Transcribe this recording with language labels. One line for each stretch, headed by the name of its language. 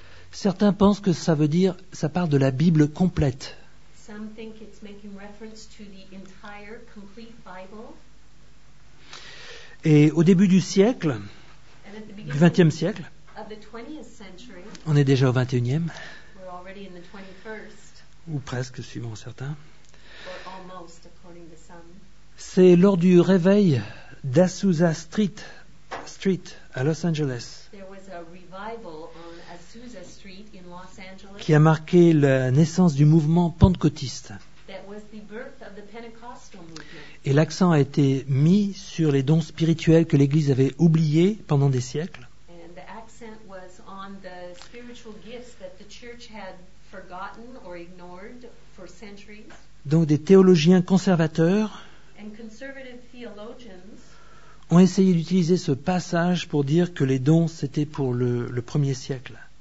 French: Certains pensent que ça veut dire, ça part de la Bible complète.
English: Some think it's making reference to the entire complete Bible.
French: Et au début du siècle, du 20e siècle,
English: of the 20th century,
French: on est déjà au 21e,
English: we're already in the 21st,
French: ou presque, suivant certains,
English: or almost, according to some.
French: C'est lors du réveil d'Azusa Street à Los Angeles.
English: There was a revival on Azusa Street in Los Angeles,
French: qui a marqué la naissance du mouvement pentecôtiste.
English: That was the birth of the Pentecostal movement.
French: Et l'accent a été mis sur les dons spirituels que l'Église avait oubliés pendant des siècles.
English: And the accent was on the spiritual gifts that the church had forgotten or ignored for centuries.
French: Donc des théologiens conservateurs
English: and conservative theologians
French: ont essayé d'utiliser ce passage pour dire que les dons, c'était pour le premier siècle.